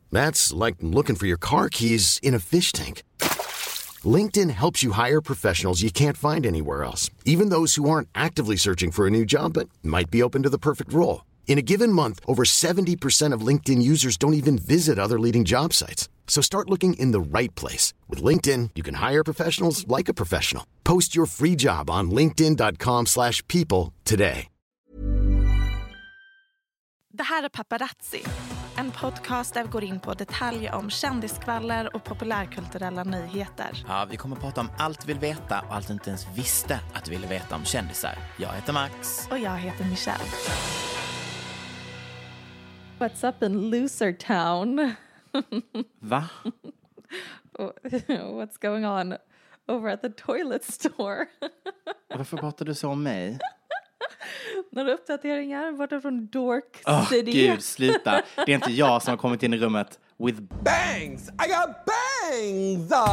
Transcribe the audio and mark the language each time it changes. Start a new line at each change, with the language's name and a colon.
English: That's like looking for your car keys in a fish tank. LinkedIn helps you hire professionals you can't find anywhere else, even those who aren't actively searching for a new job but might be open to the perfect role. In a given month, over 70% of LinkedIn users don't even visit other leading job sites. So start looking in the right place. With LinkedIn, you can hire professionals like a professional. Post your free job on linkedin.com/people today.
Swedish: Det här är Paparazzi, en podcast där vi går in på detaljer om kändiskvaller och populärkulturella nyheter. Ja, vi kommer att prata om allt vi vill veta och allt vi inte ens visste att vi ville veta om kändisar. Jag heter Max. Och jag heter Michelle.
English: What's up in Loser Town?
Swedish: Va?
English: What's going on over at the toilet store?
Swedish: Varför pratar du så om mig? Några uppdateringar borta från Dork City. Åh, gud, sluta. Det är inte jag som har kommit in i rummet
English: with bangs. I got bangs.